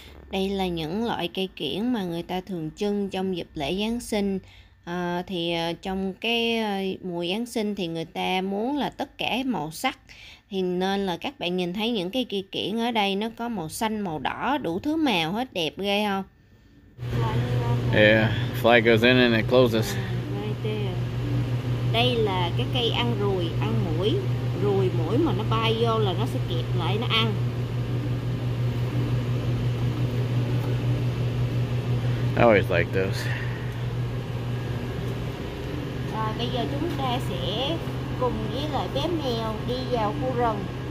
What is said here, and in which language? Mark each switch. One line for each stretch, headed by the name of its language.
Vietnamese: Đây là những loại cây kiểng mà người ta thường trưng trong dịp lễ Giáng sinh. Thì trong cái mùa Giáng sinh thì người ta muốn là tất cả màu sắc. Thì nên là các bạn nhìn thấy những cái cây kiểng ở đây nó có màu xanh, màu đỏ, đủ thứ màu hết, đẹp ghê không?
English: Yeah, fly goes in and it closes.
Vietnamese: Đây là cái cây ăn ruồi, ăn muỗi. Ruồi muỗi mà nó bay vô là nó sẽ kẹp lại nó ăn.
English: I always like those.
Vietnamese: Rồi bây giờ chúng ta sẽ cùng với lại bé mèo đi vào khu rừng.